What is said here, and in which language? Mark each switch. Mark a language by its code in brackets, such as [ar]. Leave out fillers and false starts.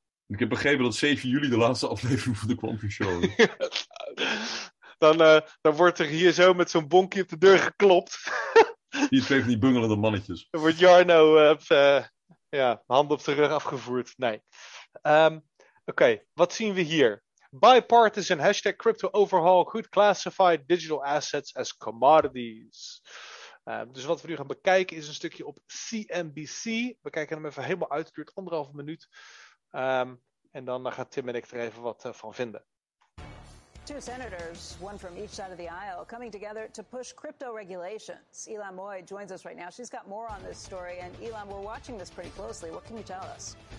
[nl] Ik heb begrepen dat 7 juli de laatste aflevering van de Quantum Show is. Dan wordt er hier zo met zo'n bonkje op de deur geklopt. Hier 2 van die bungelende mannetjes. Dan wordt Jarno hand op de rug afgevoerd. Nee. Oké, wat zien we hier? [en] Bipartisan hashtag crypto overhaul could classify digital assets as commodities. [nl] Dus wat we nu gaan bekijken is een stukje op CNBC. We kijken hem even helemaal uit. Het duurt 1,5 minuut. En dan gaat Tim en ik er even wat van vinden. [en] Two senators, one from each side of the aisle, coming together to push crypto regulations. Elon Moy joins us right now. She's got more on this story. And Elon, we're watching this pretty closely. What can you tell us?